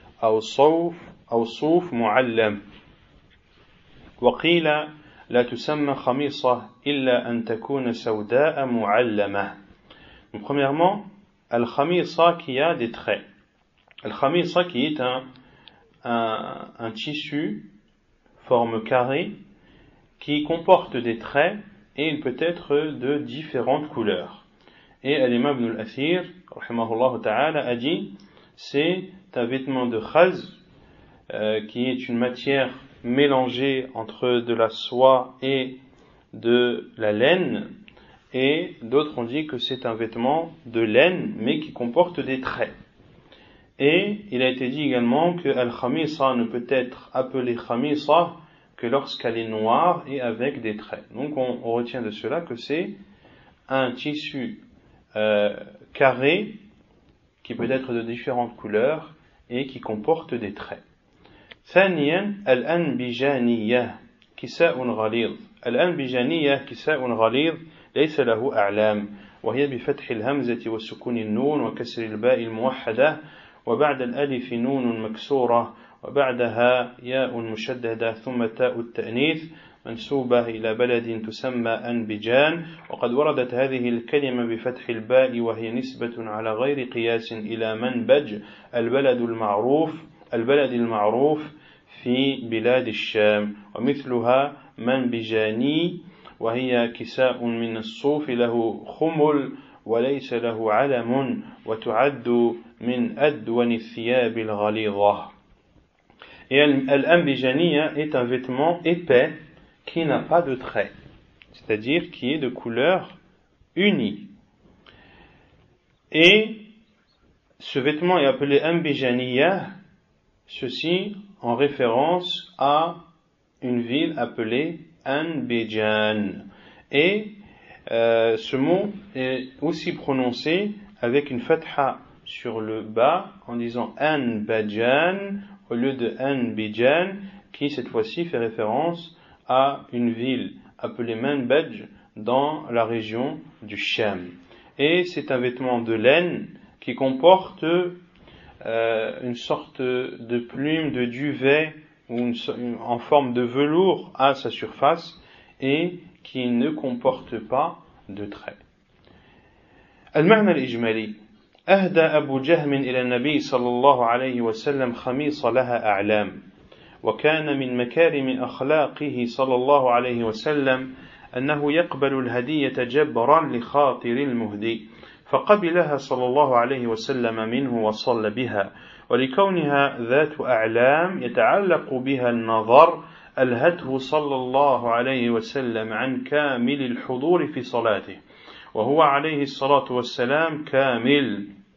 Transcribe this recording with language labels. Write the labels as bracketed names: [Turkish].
[Arabic] أو صوف معلم وقيل لا تسمى خميصة إلا أن تكون سوداء معلمة. [French] Premièrement, al-khamisa qui a des traits. Al-khamisa qui est un tissu forme carré qui comporte des traits et il peut être de différentes couleurs. Et l'imam Ibn al-Athir, [Arabic] rahimahullah ta'ala, [French] a dit, c'est un vêtement de khaz, qui est une matière mélangée entre de la soie et de la laine. Et d'autres ont dit que c'est un vêtement de laine, mais qui comporte des traits. Et il a été dit également que Al-Khamisa ne peut être appelée Khamisa que lorsqu'elle est noire et avec des traits. Donc on retient de cela que c'est un tissu carré qui peut être de différentes couleurs et qui comporte des traits. [Arabic] Thaniyan Al-Anbijaniya Kisa'un Ghalidh. Al-Anbijaniya Kisa'un Ghalidh ليس له أعلام وهي بفتح الهمزة وسكون النون وكسر الباء الموحدة وبعد الألف نون مكسورة وبعدها ياء مشددة ثم تاء التأنيث منسوبة إلى بلد تسمى أنبجان وقد وردت هذه الكلمة بفتح الباء وهي نسبة على غير قياس إلى منبج البلد المعروف في بلاد الشام ومثلها منبجاني وهي كساء من الصوف له خمل وليس له علم وتعد من أدون الثياب الغليظة. [French] Et l'anbijaniya est un vêtement épais qui n'a pas de trait, c'est-à-dire qui est de couleur unie. Et ce vêtement est appelé anbijaniya, ceci en référence à une ville appelée Anbijan. Et ce mot est aussi prononcé avec une fatha sur le bas en disant Anbijan au lieu de Anbijan, qui cette fois-ci fait référence à une ville appelée Manbij dans la région du Sham. Et c'est un vêtement de laine qui comporte une sorte de plume, de duvet ou en forme de velours à sa surface, et qui ne comporte pas de traits. [Arabic] المعنى الإجمالي أهدى أبو جهم إلى النبي صلى الله عليه وسلم خميصة لها أعلام وكان من مكارم أخلاقه صلى الله عليه وسلم أنه يقبل الهدية جبرا لخاطر المهدي فقبلها صلى الله عليه وسلم منه وصلى بها ولكونها ذات أعلام يتعلق بها النظر ألهته صلى الله عليه وسلم عن كامل الحضور في صلاته وهو عليه الصلاة والسلام كامل